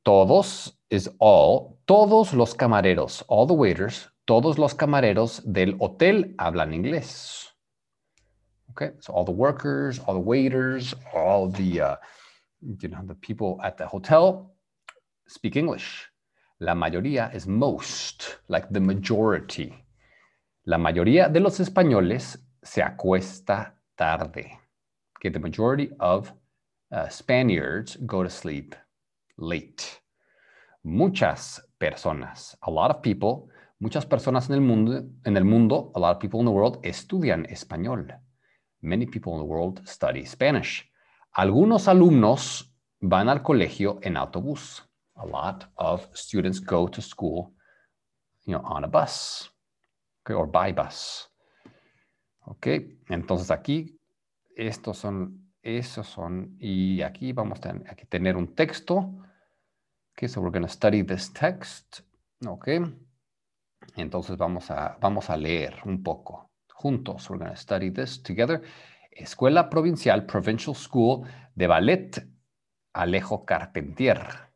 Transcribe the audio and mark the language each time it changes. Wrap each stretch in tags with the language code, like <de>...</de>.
<es>Todos</es> <en>is all.</en> <es>Todos los camareros,</es> <en>all the waiters,</en> <es>todos los camareros del hotel hablan inglés.</es> <en>Okay, so all the workers, all the waiters, all the, you know, the people at the hotel speak English.</en> <es>La mayoría</es> <en>is most, like the majority.</en> <es>La mayoría de los españoles se acuesta tarde.</es> <en>Okay, the majority of Spaniards go to sleep late.</en> <es>Muchas personas,</es> <en>a lot of people,</en> <es>muchas personas en el mundo,</es> <en>a lot of people in the world</en> <es>estudian español.</es> <en>Many people in the world study Spanish.</en> <es>Algunos alumnos van al colegio en autobús.</es> <en>A lot of students go to school, you know, on a bus, okay, or by bus.</en> <es>Okay, entonces aquí esos son y aquí vamos a tener un texto.</es> <en>Okay, so we're going to study this text.</en> <es>Okay. Entonces vamos a leer un poco juntos.</es> <en>We're going to study this together. Escuela Provincial, Provincial School de Ballet, Alejo Carpentier.</en>